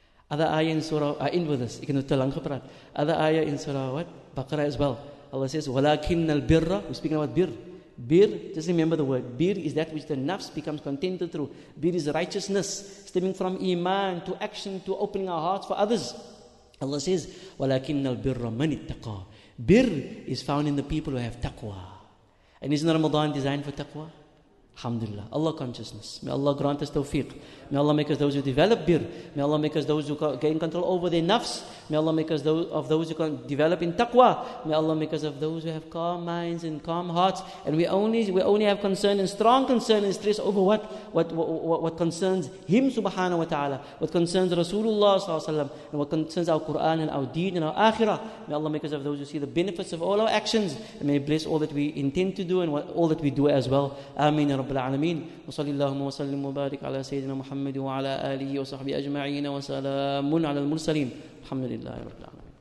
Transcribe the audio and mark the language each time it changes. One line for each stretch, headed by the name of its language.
English: Other ayah in surah, I end with this. You can not tell Allah. Other ayah in surah, what? Baqarah as well. Allah says,
Arabic: وَلَكِنَّ الْبِرَّ.
English: We're speaking about bir. Bir, just remember the word. Bir is that which the nafs becomes contented through. Bir is righteousness, stemming from iman to action to opening our hearts for others. Allah says,
Arabic: وَلَكِنَّ الْبِرَّ مَنِ التَّقَى.
English: Bir is found in the people who have taqwa. And isn't Ramadan designed for taqwa? Alhamdulillah. Allah consciousness. May Allah grant us tawfiq. May Allah make us those who develop bir. May Allah make us those who gain control over their nafs. May Allah make us of those who can develop in taqwa. May Allah make us of those who have calm minds and calm hearts. And we only have concern and strong concern and stress over what concerns Him subhanahu wa ta'ala. What concerns Rasulullah sallallahu alayhi wa sallam. And what concerns our Quran and our deed and our akhirah. May Allah make us of those who see the benefits of all our actions. And may He bless all that we intend to do and all that we do as well. Ameen.
Arabic: رب العالمين وصلى الله وسلم وبارك على سيدنا محمد وعلى آله وصحبه أجمعين وسلام على المرسلين الحمد لله رب العالمين.